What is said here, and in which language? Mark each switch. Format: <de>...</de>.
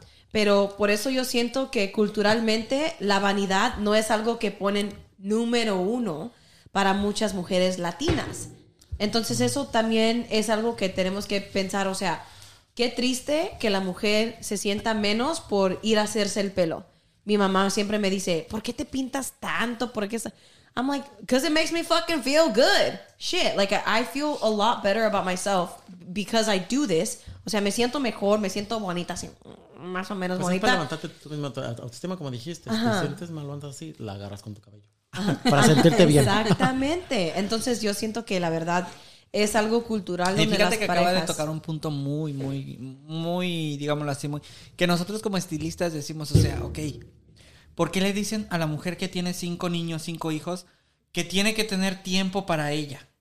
<es>Pero por eso yo siento que culturalmente la vanidad no es algo que ponen número uno para muchas mujeres latinas. Entonces eso también es algo que tenemos que pensar, o sea, qué triste que la mujer se sienta menos por ir a hacerse el pelo. Mi mamá siempre me dice, ¿por qué te pintas tanto? ¿Por qué?</es> <en>I'm like, because it makes me fucking feel good. Shit, like I feel a lot better about myself because I do this.</en> <es>O sea, me siento mejor, me siento bonita, así, más o menos pues bonita. Pues siempre levantarte tú misma tu autoestima, como dijiste. Ajá. Si te sientes mal, levantas así, la agarras con tu cabello. Para sentirte bien. Exactamente. Entonces yo siento que la verdad es algo cultural. Y fíjate que acaba de tocar un punto muy, muy, muy, digámoslo así, muy, que nosotros como estilistas decimos, o sea, ok, ¿por qué le dicen a la mujer que tiene 5 niños, 5 hijos, que tiene que tener tiempo para ella?</es>